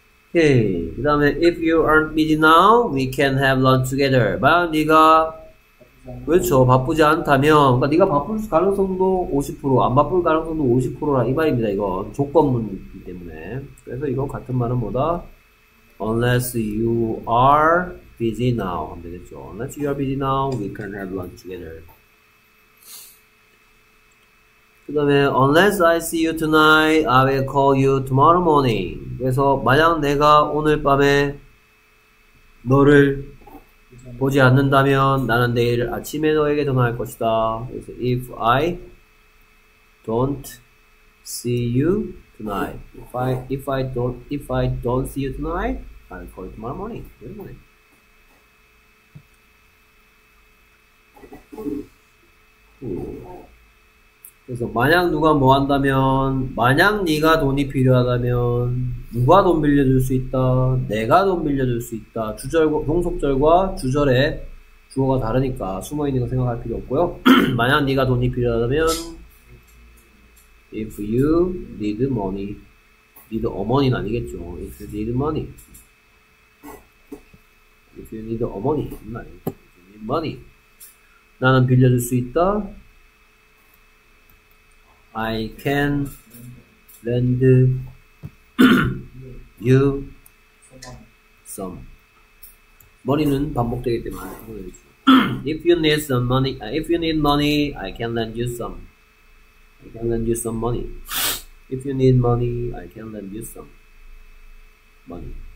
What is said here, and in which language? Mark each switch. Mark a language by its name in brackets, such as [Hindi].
[Korean] 오케이. 그 다음에, [English] if you aren't busy now, we can have lunch together. [Korean] 만약 네가 그렇죠. 바쁘지 않다면, 그러니까 네가 바쁠 가능성도 50%, 안 바쁠 가능성도 50%라 이 말입니다. 이건 조건문이기 때문에. 그래서 이거 같은 말은 뭐다? [English] Unless you are busy now. [Korean] 하면 되겠죠. [English] Unless you are busy now, we can have lunch together. [Korean] 그 다음에 [English] Unless I see you tonight, I will call you tomorrow morning. [Korean] 그래서 만약 내가 오늘 밤에 너를 보지 않는다면 나는 내일 아침에 너에게 전화할 것이다. 그래서 [English] if I don't see you tonight, if I don't see you tonight, I'll call you tomorrow morning. [Korean] 이런 거네. 그래서 만약 누가 뭐 한다면, 만약 네가 돈이 필요하다면 누가 돈 빌려줄 수 있다, 내가 돈 빌려줄 수 있다. 주절과 동속절과 주절의 주어가 다르니까 숨어있는 거 생각할 필요 없고요. 만약 네가 돈이 필요하다면 [English] if you need money, need a money는 [Korean] 아니겠죠. [English] if you need money, if you need a money, if you need money, [Korean] 나는 빌려줄 수 있다. [English] I can lend you some. [Korean] 머리는 반복되기 때문에. [English] if you need money, I can lend you some. I can lend you some money. If you need money, I can lend you some money.